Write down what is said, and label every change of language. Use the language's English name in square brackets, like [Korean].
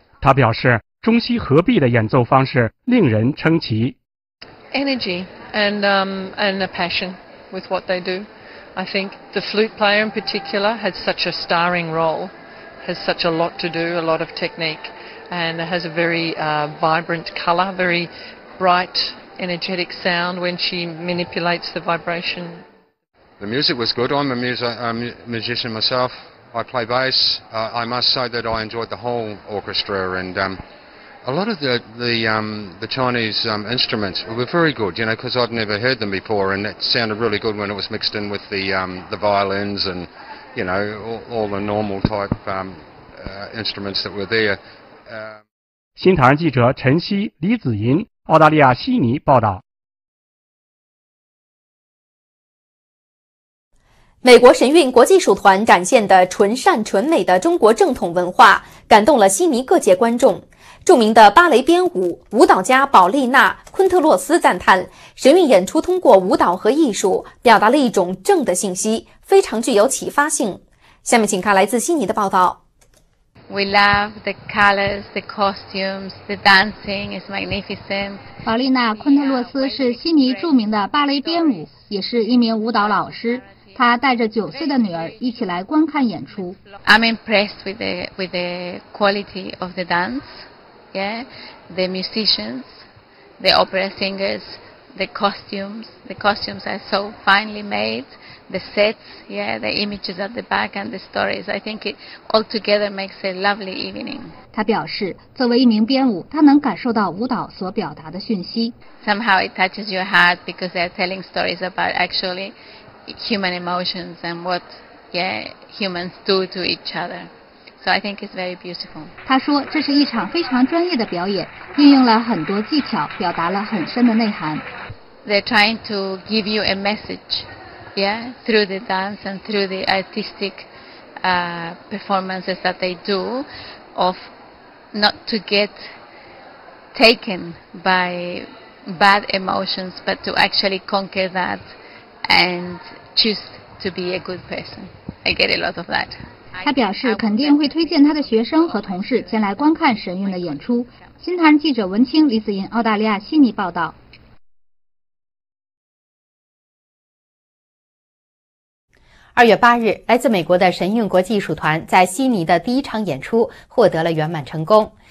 [Chinese] 他表示，中西合璧的演奏方式令人称奇。 [English] Energy and a passion with what they do. I think the flute player in particular has such a starring role, has such a lot to do, a lot of technique. And it has a very vibrant color, very bright, energetic sound when she manipulates the vibration. The music was good. I'm a musician myself. I play bass. I must say that I enjoyed the whole orchestra and a lot of the Chinese instruments were very good, you know, because I'd never heard them before and it sounded really good when it was mixed in with the violins and, you know, all the normal type instruments that were there. [Chinese] 新唐人记者陈曦、李子吟，澳大利亚悉尼报道。美国神韵国际艺术团展现的纯善纯美的中国正统文化感动了悉尼各界观众。著名的芭蕾编舞舞蹈家宝丽娜·昆特洛斯赞叹，神韵演出通过舞蹈和艺术表达了一种正的信息，非常具有启发性。下面请看来自悉尼的报道。 [English] We love the colors, the costumes, the dancing is magnificent. [Chinese] 宝丽娜·昆特洛斯是悉尼著名的芭蕾编舞，也是一名舞蹈老师。她带着九岁的女儿一起来观看演出。 [English] I'm impressed with the quality of the dance, yeah, the musicians, the opera singers, the costumes are so finely made. The sets, yeah, the images at the back and the stories. I think it all together makes a lovely evening. [Chinese] 他表示，作为一名编舞，他能感受到舞蹈所表达的讯息。 [English] Somehow it touches your heart because they're telling stories about actually human emotions and what, yeah, humans do to each other. So I think it's very beautiful. [Chinese] 他说，这是一场非常专业的表演，运用了很多技巧，表达了很深的内涵。 [English] They're trying to give you a message. Yeah, through the dance and through the artistic performances that they do, of not to get taken by bad emotions, but to actually conquer that and choose to be a good person. I get a lot of that. [Chinese] 他表示肯定会推荐他的学生和同事前来观看神韵的演出。新唐记者文清、李子英，澳大利亚悉尼报道。二月八日，来自美国的神韵国际艺术团在悉尼的第一场演出获得了圆满成功。